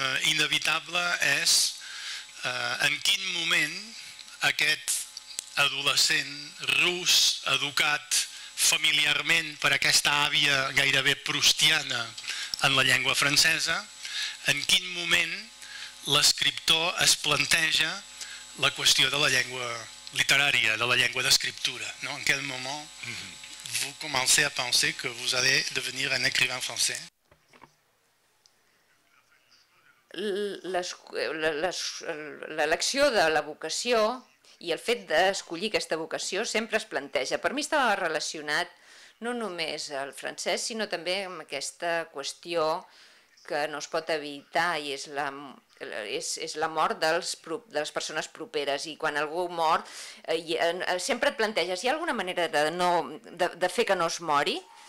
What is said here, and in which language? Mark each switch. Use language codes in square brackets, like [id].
[ca] Inevitable és en quin moment aquest adolescent rus educat familiarment per aquesta àvia gairebé prustiana en la llengua francesa, en quin moment l'escriptor es planteja la qüestió de la llengua literària, de la llengua d'escriptura, no? [fr] En quel moment vous commencez a penser que vous allez devenir un écrivain français? [ca] L'elecció de la vocació i el fet d'escollir aquesta vocació sempre es planteja. Per mi estava relacionat no només al francès, sinó també amb aquesta qüestió que no es pot evitar i és la mort de les persones properes. I quan algú mor, sempre et planteges, hi ha alguna manera de fer que no es mori?